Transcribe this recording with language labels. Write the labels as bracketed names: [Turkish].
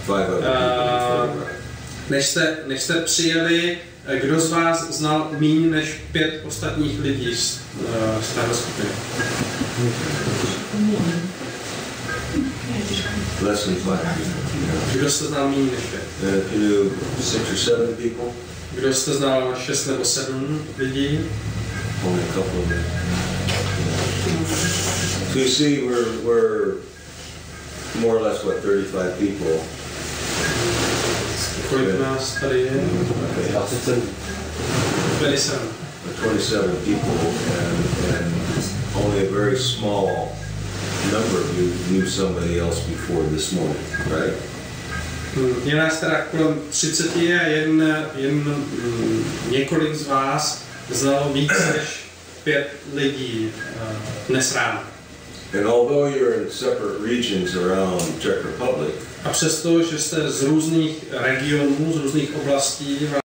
[English] Five other people before you arrived. [Czech] Než jste přijeli, kdo z vás znal méně než pět ostatních lidí z této skupiny? [English] Less than five. [Czech] Kdo jste znal méně než pět? [English] You knew six or seven people. [Czech] Kdo jste znal šest nebo sedm lidí? [English] Only a couple of them. So you see, we're more or less what 35 people. [Czech] Kolik nás tady je? 27. [English] 27 people, and only a very small number of you knew somebody else before this morning, right? [Czech] Je nás teda kolem 30 a jen několik z vás znalo víc než pět lidí dnes ráno. [English] And although you're in separate regions around Czech Republic, [Czech] a přesto, že jste z různých regionů, z různých oblastí,